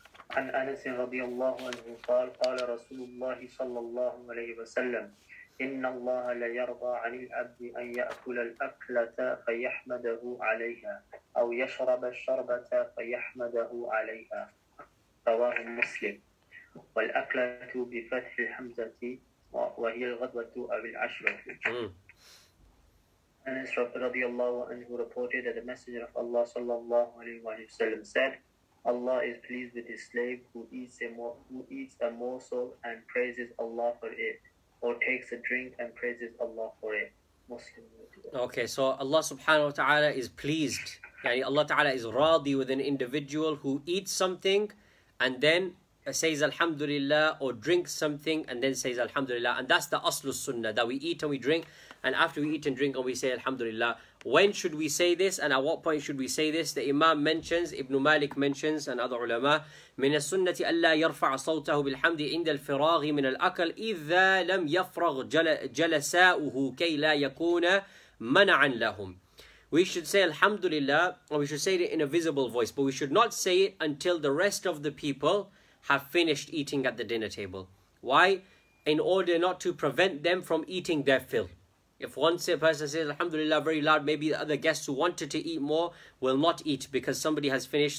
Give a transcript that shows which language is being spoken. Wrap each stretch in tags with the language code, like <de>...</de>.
<ar>عن أنس رضي الله عنه قال قال رسول الله صلى الله عليه وسلم إن الله لا يرضى عن العبد أن يأكل الأكلة فيحمده عليها أو يشرب الشربة فيحمده عليها رواه مسلم والأكلة بفتح الهمزة وهي الغدوة أو العشرة.</ar> <en>أنس رضي الله عنه reported that the messenger of Allah صلى الله عليه وسلم said, Allah is pleased with his slave who eats a morsel and praises Allah for it, or takes a drink and praises Allah for it. Muslim. Okay, so Allah subhanahu wa ta'ala is pleased. Yani Allah ta'ala is radi with an individual who eats something and then says Alhamdulillah, or drinks something and then says Alhamdulillah. And that's the aslus sunnah, that we eat and we drink, and after we eat and drink and we say Alhamdulillah. When should we say this and at what point should we say this? The Imam mentions, Ibn Malik mentions, and other ulama,</en> <ar>من السنة ألا يرفع صوته بالحمد عند الفراغ من الأكل إذا لم يفرغ جلساؤه كي لا يكون mana'an lahum.</ar> <en>We should say alhamdulillah, or we should say it in a visible voice, but we should not say it until the rest of the people have finished eating at the dinner table. Why? In order not to prevent them from eating their fill. If one person says alhamdulillah very loud, maybe the other guests who wanted to eat more will not eat because somebody has finished.</en>